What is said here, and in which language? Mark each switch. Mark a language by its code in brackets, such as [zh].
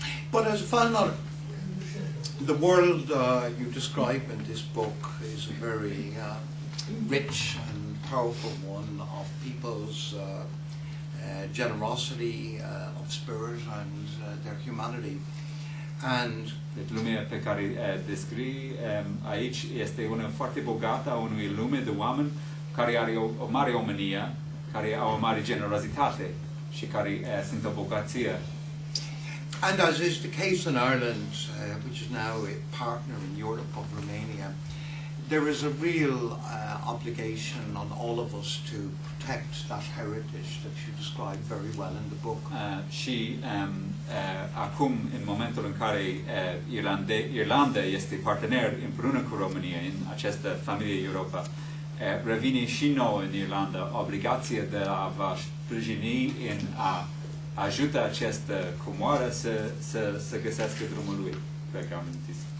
[en] But as a final, the world you describe in this book is a very rich and powerful one of people's generosity of spirit and their humanity. And [ro] lumea pe care descrii aici este una foarte bogată a unui lume de oameni care are o mare omenie, care au o mare generozitate și care sunt o bogăție. [en] And as is the case in Ireland, which is now a partner in Europe of Romania, there is a real obligation on all of us to protect that heritage that you describe very well in the book. [ro] Și acum, în momentul în care Irlanda este partener împreună cu România în această familie Europa, revine și nouă în Irlanda obligația de a vă sprijini în a ajută această comoară să găsească drumul lui pe care am amintit.